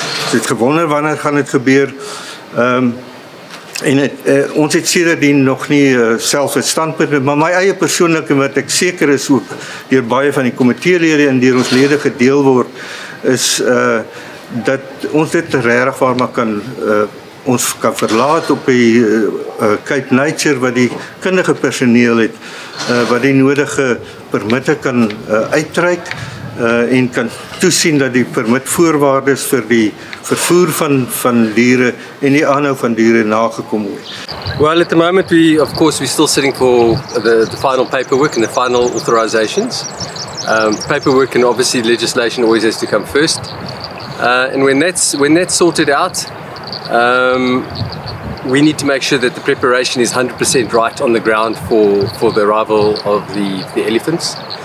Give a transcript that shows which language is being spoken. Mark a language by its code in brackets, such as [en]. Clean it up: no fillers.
[af] Ons het gewonder wanneer gaan dit gebeur. Ons het sedertdien nog nie selfs 'n standpunt, maar my eie persoonlike wat ek seker is ook deur baie van die komiteelede en deur ons lede gedeel word, is dat ons dit regtig waar maar kan ons kan verlaat op die Cape Nature wat die kundige personeel het wat die nodige permitte kan uitreik en kan toesien dat die permit voorwaardes vir die vervoer van diere en die aanhou van diere nagekom word. [en] Well, at the moment we of course we're still sitting for the final paperwork and the final authorizations. Paperwork and obviously legislation always has to come first. And when that's sorted out, we need to make sure that the preparation is 100% right on the ground for the arrival of the elephants.